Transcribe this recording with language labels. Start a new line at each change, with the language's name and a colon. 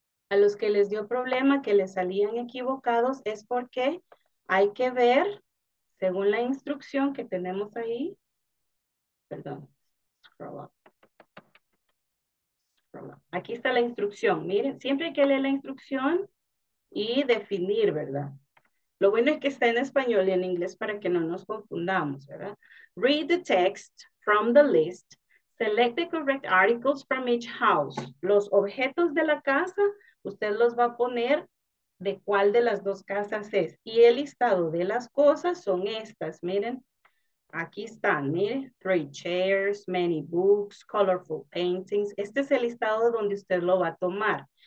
Spanish: A los que les dio problema, que les salían equivocados, es porque hay que ver, según la instrucción que tenemos ahí, perdón, scroll up. Aquí está la instrucción, miren, siempre hay que leer la instrucción y definir, ¿verdad? Lo bueno es que está en español y en inglés para que no nos confundamos, ¿verdad?
English: Read the text from the list, select the correct articles from each house.
Spanish: Los objetos de la casa, usted los va a poner de cuál de las dos casas es. Y el listado de las cosas son estas, miren. Aquí están, miren,
English: three chairs, many books, colorful paintings.
Spanish: Este es el listado donde usted lo va a tomar.